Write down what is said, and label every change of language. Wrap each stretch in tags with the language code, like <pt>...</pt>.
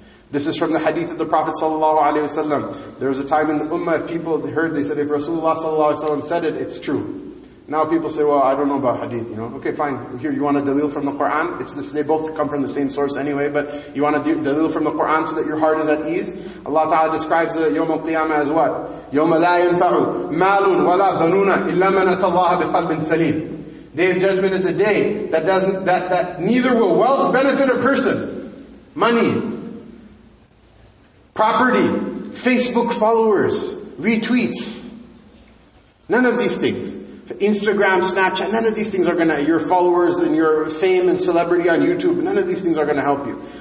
<en>This is from the hadith of the Prophet sallallahu alaihi wasallam. There was a time in the ummah, if people heard, they said, if Rasulullah sallallahu alaihi wasallam said it, it's true. Now people say, well, I don't know about hadith, you know. Okay, fine. Here, you want a dalil from the Qur'an? It's this, they both come from the same source anyway, but you want a dalil from the Qur'an so that your heart is at ease? Allah Ta'ala describes the yawm al-qiyamah as what?</en> <ar>يوم لا ينفع مال ولا بنون إلا من أتى الله بقلب سليم.</ar> <en>Day of Judgment is a day that doesn't, that neither will wealth benefit a person. Money, property, Facebook followers, retweets. None of these things. Instagram, Snapchat, none of these things are going to, your followers and your fame and celebrity on YouTube, none of these things are going to help you.</en>